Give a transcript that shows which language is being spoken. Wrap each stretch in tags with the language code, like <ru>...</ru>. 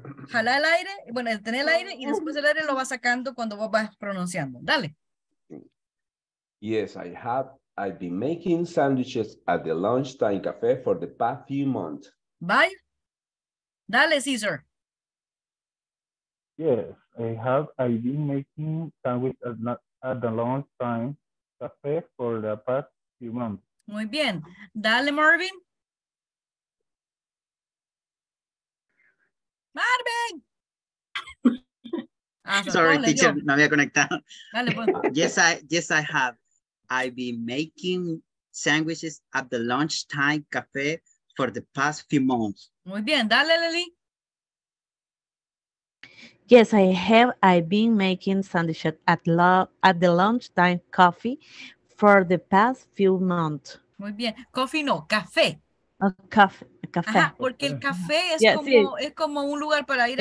<es>Jala el aire, bueno, detener el aire y después el aire lo va sacando cuando vos vas pronunciando. Dale.</es> <en>Yes, I've been making sandwiches at the lunchtime cafe for the past few months.</en> <es>Bye. Dale, Caesar.</es> <en>Yes, I've been making sandwiches at the lunchtime cafe for the past few months.</en> <es>Muy bien. Dale, Marvin. Marvin!</es> <en>Sorry, teacher,</en> <es>no había conectado. Dale, pues.</es> <en>Yes, I have. I've been making sandwiches at the lunchtime cafe for the past few months.</en> <es>Muy bien, dale, Lily.</es> <en>Yes, I've been making sandwiches at the lunchtime coffee for the past few months.</en> <es>Muy bien, coffee no, café. Café. Ajá, porque el café es, yeah, como, sí, es como un lugar para ir</es>